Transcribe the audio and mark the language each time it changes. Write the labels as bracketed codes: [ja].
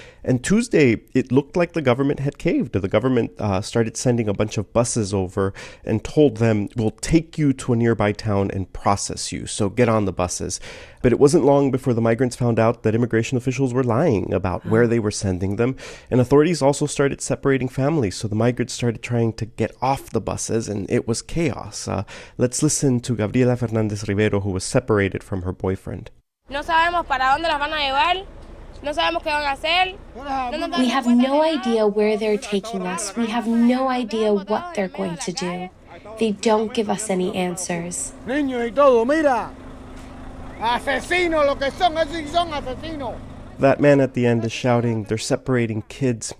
[en] And Tuesday, it looked like the government had caved. The government started sending a bunch of buses over and told them, we'll take you to a nearby town and process you, so get on the buses. But it wasn't long before the migrants found out that immigration officials were lying about where they were sending them. And authorities also started separating families, so the migrants started trying to get off the buses, and it was chaos. Let's listen to Gabriela Fernandez Rivero, who was separated from her boyfriend. [es] No sabemos para dónde las van a llevar. No sabemos qué van a hacer. [en] We have no idea where they're taking us. We have no idea what they're going to do. They don't give us any answers. That man at the end is shouting, they're separating kids.